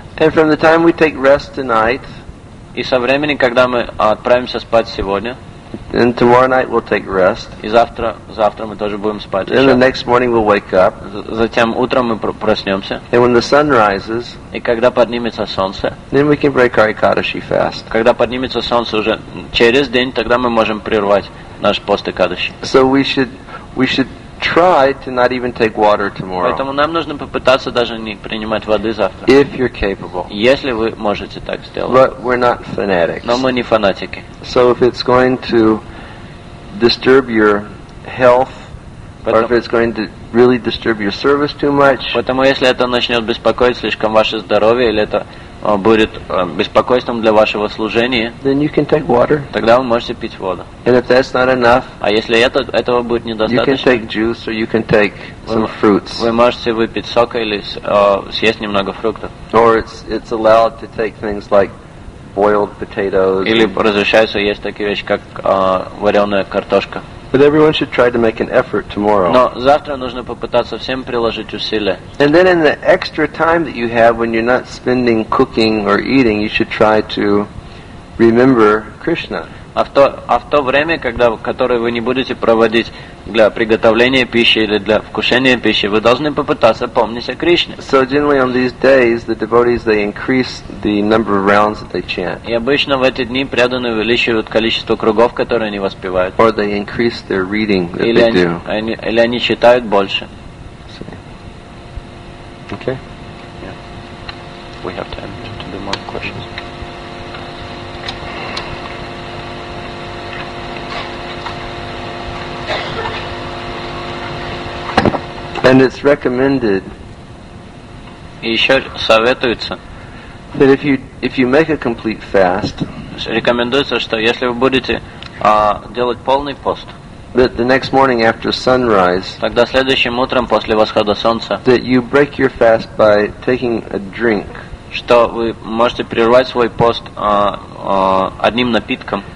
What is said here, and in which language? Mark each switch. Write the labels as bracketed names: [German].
[English] And from the time we take rest tonight, [Russian] и со времени, когда мы отправимся спать сегодня, [English] and tomorrow night we'll take rest. [Russian] И завтра мы тоже будем спать. [English] And the next morning we'll wake up. [Russian] Затем утром мы проснемся. [English] And when the sun rises, [Russian] и когда поднимется солнце, [English] then we can break our Ekadashi fast. [Russian] Когда поднимется солнце уже через день, тогда мы можем прервать наш пост Экадаши. [English] So we should try to not even take water tomorrow. [Russian] Поэтому нам нужно попытаться даже не принимать воды завтра. [English] If you're capable. [Russian] Если вы можете так сделать. [English] But we're not fanatics. [Russian] Но мы не фанатики. [English] So if it's going to disturb your health, or if it's going to really disturb your service too much. [Russian] Поэтому если это начнет беспокоить слишком ваше здоровье или это будет беспокойством для вашего служения, [English] then you can take water. [Russian] Тогда вы можете пить воду. [English] And if that's not enough, [Russian] а если этого будет недостаточно, [English] you can take juice or you can take some fruits. [Russian] Вы можете выпить сока или съесть немного фруктов. [English] Or it's allowed to take things like boiled potatoes. [Russian] Или разрешается есть такие вещи, как вареная картошка. [English] But everyone should try to make an effort tomorrow. [Russian] Но завтра нужно попытаться всем приложить усилия. [English] And then in the extra time that you have when you're not spending cooking or eating, you should try to remember Krishna. [Russian] А в то время, которое вы не будете проводить для приготовления пищи или для вкушения пищи, вы должны попытаться помнить о Кришне. [English] So generally on these days, the devotees, they increase the number of rounds that they chant. [Russian] И обычно в эти дни преданные увеличивают количество кругов, которые они воспевают. [English] Or they increase their reading that they do. [Russian] Или они читают больше. [English] Okay. Yeah. We have time to do more questions. And it's recommended. [Russian] Еще советуется. [English] That if you make a complete fast. [Russian] Рекомендуется, что если вы будете делать полный пост. [English] That the next morning after sunrise. [Russian] Тогда следующим утром после восхода солнца. [English] That you break your fast by taking a drink. [Russian] Что вы можете прервать свой пост одним напитком.